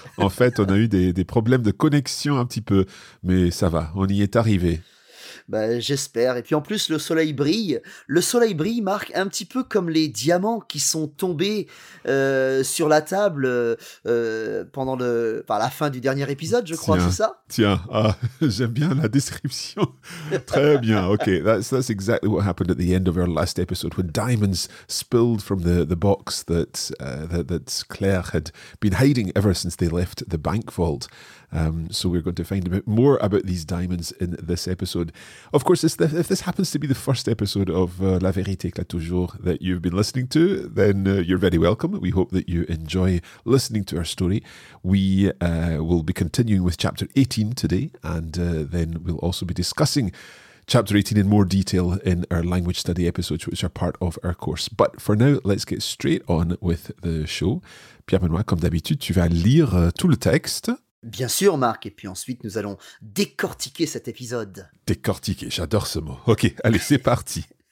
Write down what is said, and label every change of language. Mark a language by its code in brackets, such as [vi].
[fr] En fait, on a eu des problèmes de connexion un petit peu, mais ça va, on y est arrivé. J'espère. Et puis en plus, le soleil brille, Marc, un petit peu comme les diamants qui sont tombés sur la table pendant la fin du dernier épisode, je crois, tiens, c'est ça ? Tiens, j'aime bien la description. Très bien, ok. [en] That's exactly what happened at the end of our last episode, when diamonds spilled from the box that Claire had been hiding ever since they left the bank vault. So we're going to find a bit more about these diamonds in this episode. Of course, if this happens to be the first episode of La Vérité Éclate Toujours that you've been listening to, then you're very welcome. We hope that you enjoy listening to our story. We will be continuing with chapter 18 today, and then we'll also be discussing chapter 18 in more detail in our language study episodes, which are part of our course. But for now, let's get straight on with the show. [fr] Pierre-Benoît, comme d'habitude, tu vas lire tout le texte. Bien sûr, Marc. Et puis ensuite, nous allons décortiquer cet épisode. Décortiquer, j'adore ce mot. Ok, allez, c'est parti.